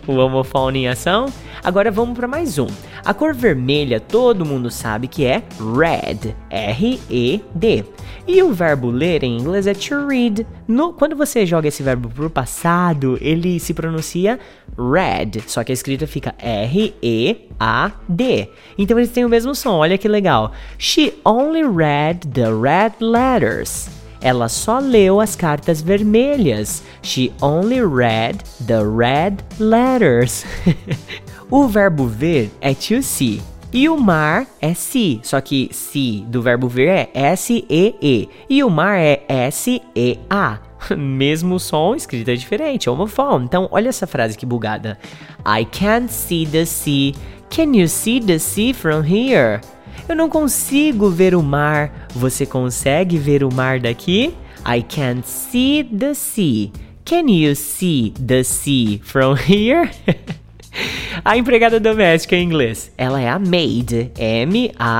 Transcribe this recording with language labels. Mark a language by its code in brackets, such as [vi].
[pt] O homofone em ação? Agora vamos para mais um. A cor vermelha, todo mundo sabe que é red, R-E-D. E o verbo ler em inglês é to read. Quando você joga esse verbo pro passado, ele se pronuncia read, só que a escrita fica R-E-A-D. Então eles têm o mesmo som, olha que legal. [en] She only read the red letters. [pt] Ela só leu as cartas vermelhas. [en] She only read the red letters. [pt] O verbo ver é to see. E o mar é see. Só que see do verbo ver é S-E-E. E o mar é S-E-A. Mesmo som, escrita diferente. Homofone. Então, olha essa frase que bugada. [en] I can't see the sea. Can you see the sea from here? [pt] Eu não consigo ver o mar. Você consegue ver o mar daqui? [en] I can't see the sea. Can you see the sea from here? [pt] A empregada doméstica em inglês. Ela é a maid. M-A-I-D.